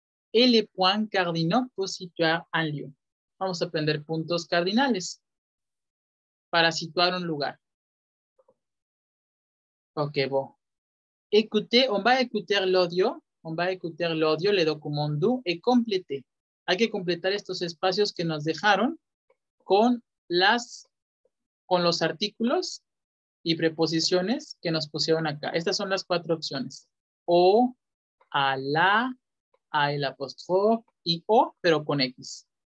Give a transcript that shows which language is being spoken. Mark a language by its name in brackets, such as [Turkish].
[French] Et les points cardinaux pour situer un lieu. [Spanish] Vamos a aprender puntos cardinales para situar un lugar. [French] Ok, bon. Écoutez, on va écouter l'audio. On va écouter l'audio, le document du, et compléter. [Spanish] Hay que completar estos espacios que nos dejaron con los artículos y preposiciones que nos pusieron acá. Estas son las cuatro opciones. O, a la, a el apóstrofe y o, pero con X.